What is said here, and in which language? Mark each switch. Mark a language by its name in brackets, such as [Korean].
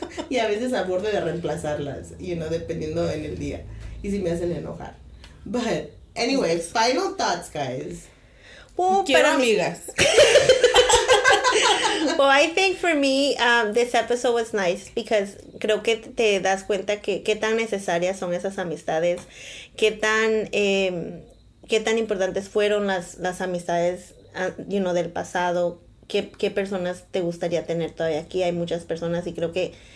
[Spanish] Y a veces a borde de reemplazarlas, [English] you know, [Spanish] dependiendo en el día. Y si me hacen enojar. [English] But, anyway, final thoughts, guys. [Spanish] Well, quiero amigas. [English] Well, I think for me, this episode was nice because [Spanish] creo que te das cuenta que qué tan necesarias son esas amistades, qué tan importantes fueron las amistades, [English] you know, [Spanish] del pasado, qué personas te gustaría tener todavía aquí. Hay muchas personas y creo que